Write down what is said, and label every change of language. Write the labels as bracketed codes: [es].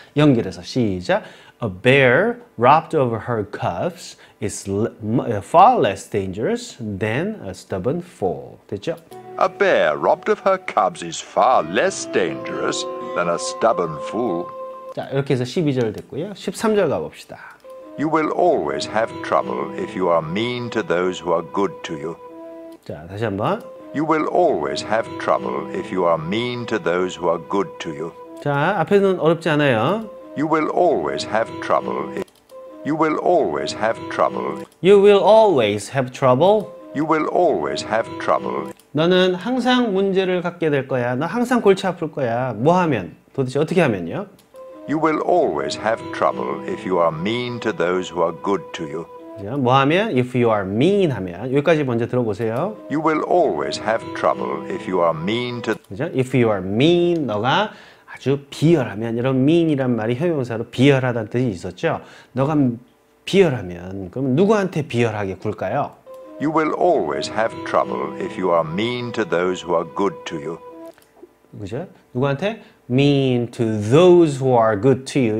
[ko] 연결해서 시작. [en] A bear robbed of her cubs is far less dangerous than a stubborn fool. [ko] 됐죠? [en] A bear robbed of her cubs is far less dangerous than a stubborn fool. [ko] 자, 이렇게 해서 12절 됐고요. 13절 가봅시다. [en] You will always have trouble if you are mean to those who are good to you. [ko] 자, 다시 한번. [en] You will always have trouble if you are mean to those who are good to you. [ko] 자, 앞에는 어렵지 않아요. [en] You will always have trouble. You will always have trouble. You will always have trouble. You will always have trouble. [ko] 너는 항상 문제를 갖게 될 거야. 너 항상 골치 아플 거야. 뭐 하면? 도대체 어떻게 하면요? [en] You will always have trouble if you are mean to those who are good to you. [ko] 뭐 하면? [en] If you are mean [ko] 하면 여기까지 먼저 들어보세요. [en] You will always have trouble if you are mean to. [ko] 그죠? [en] If you are mean, [ko] 너가 아주 비열하면 이런 mean이란 말이 형용사로 비열하다는 뜻이 있었죠. 너가 비열하면 그럼 누구한테 비열하게 굴까요? [en] You will always have trouble if you are mean to those who are good to you. [ko] 그죠? 누구한테? [en] Mean to those who are good to you.